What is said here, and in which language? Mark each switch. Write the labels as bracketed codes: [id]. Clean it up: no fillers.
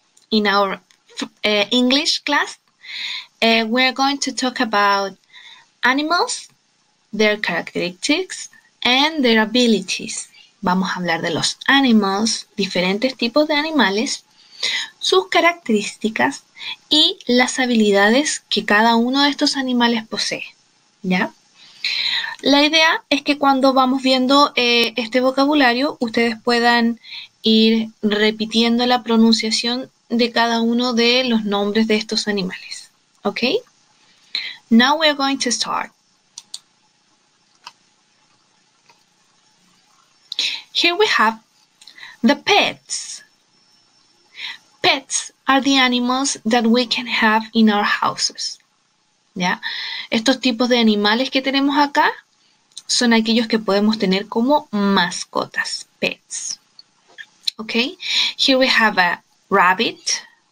[en] In our English class, we're going to talk about animals, their characteristics, and their abilities. [es] Vamos a hablar de los animals, diferentes tipos de animales, sus características y las habilidades que cada uno de estos animales posee. ¿Ya? La idea es que cuando vamos viendo este vocabulario, ustedes puedan ir repitiendo la pronunciación de cada uno de los nombres de estos animales. [en] ¿Ok? Now we are going to start. Here we have the pets. Pets are the animals that we can have in our houses. [es] ¿Ya? Estos tipos de animales que tenemos acá son aquellos que podemos tener como mascotas, pets. [en] Ok, here we have a rabbit,